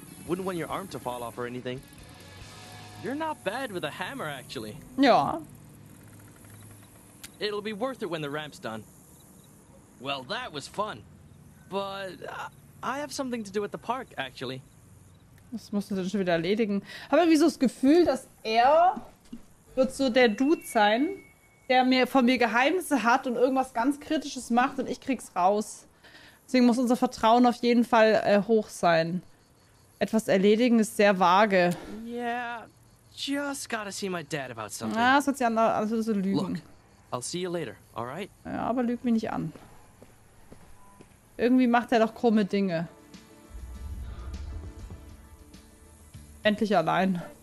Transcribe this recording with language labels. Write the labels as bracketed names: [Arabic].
[English] Wouldn't want your arm to fall off or anything. You're not bad with a hammer, actually. [German] Ja. [English] It'll be worth it when the ramp's done. Well, that was fun. But I have something to do at the park, actually. [German] Das musst du dann schon wieder erledigen. Habe irgendwie so das Gefühl, dass er wird so der Dude sein, der mir von mir Geheimnisse hat und irgendwas ganz Kritisches macht und ich krieg's raus. Deswegen muss unser Vertrauen auf jeden Fall hoch sein. Etwas erledigen ist sehr vage. [English] Yeah, just gotta see my dad about something. [German] Ah, das hat sie an, also so lügen. [English] Look, I'll see you later, alright? [German] Ja, aber lüg mich nicht an. Irgendwie macht er doch krumme Dinge. Endlich allein.